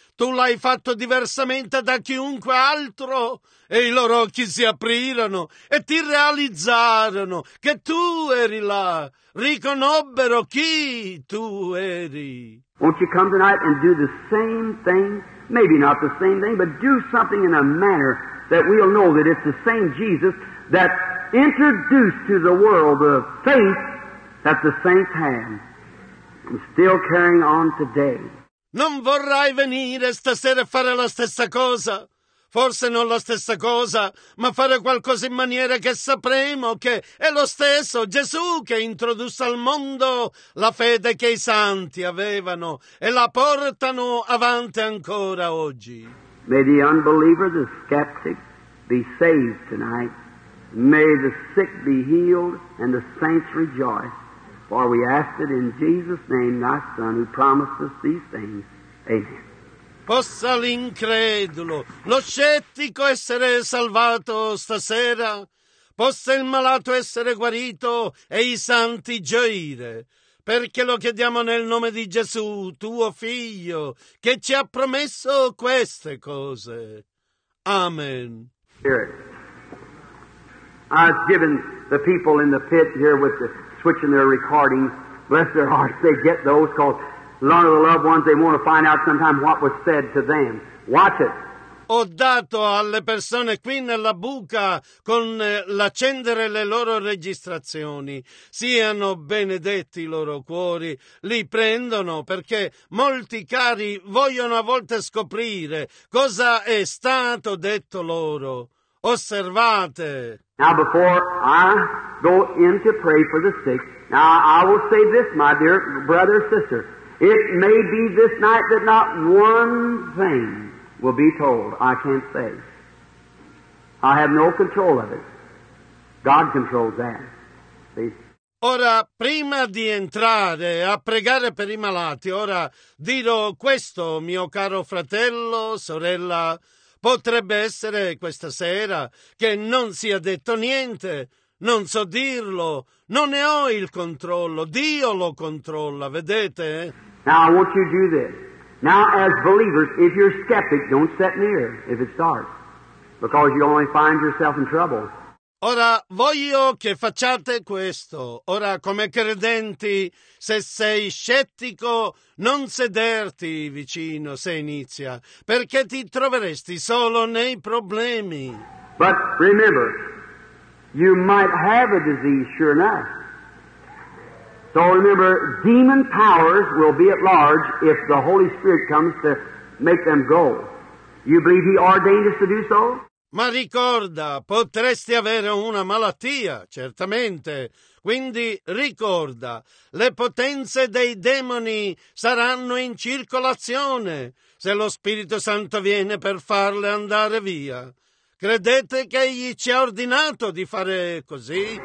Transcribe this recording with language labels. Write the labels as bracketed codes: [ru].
[it] Tu l'hai fatto diversamente da chiunque altro e i loro occhi si aprirono e ti realizzarono che tu eri là. Riconobbero chi tu eri. [en] Won't you come tonight and do the same thing? Maybe not the same thing, but do something in a manner that we'll know that it's the same Jesus that introduced to the world the faith that the saints had and still carrying on today. [it] Non vorrai venire stasera a fare la stessa cosa? Forse non la stessa cosa, ma fare qualcosa in maniera che sapremo che è lo stesso Gesù che introdusse al mondo la fede che i santi avevano e la portano avanti ancora oggi. [en] May the unbeliever, the skeptic, be saved tonight. May the sick be healed and the saints rejoice. For we ask it in Jesus' name, thy Son, who promised us these things. Amen. [it] Possa l'incredulo, lo scettico essere salvato stasera, possa il malato essere guarito e i santi gioire, perché lo chiediamo nel nome di Gesù, tuo Figlio, che ci ha promesso queste cose. Amen. [en] I've given the people in the pit here with the switching their recording, bless their hearts, they get those calls. A lot of the loved ones, they want to find out sometime what was said to them. Watch it. [it] Ho dato alle persone qui nella buca con l'accendere le loro registrazioni. Siano benedetti i loro cuori. Li prendono perché molti cari vogliono a volte scoprire cosa è stato detto loro. Osservate. [en] Now before I go in to pray for the sick, now I will say this, my dear brother, sister. It may be this night that not one thing will be told. I can't say. I have no control of it. God controls that. See? [it] Ora, prima di entrare a pregare per i malati, ora dirò questo, mio caro fratello, sorella. Potrebbe essere questa sera che non sia detto niente. Non so dirlo. Non ne ho il controllo. Dio lo controlla, vedete? [en] Now I want you to do this. Now as believers, if you're skeptic, don't sit near if it's dark, because you only find yourself in trouble. [it] Ora voglio che facciate questo. Ora come credenti, se sei scettico, non sederti vicino se inizia, perché ti troveresti solo nei problemi. [en] But remember, you might have a disease, sure enough. So remember, demon powers will be at large if the Holy Spirit comes to make them go. You believe He ordained us to do so? [it] Ma ricorda, potresti avere una malattia, certamente. Quindi ricorda, le potenze dei demoni saranno in circolazione se lo Spirito Santo viene per farle andare via. Credete che Egli ci ha ordinato di fare così?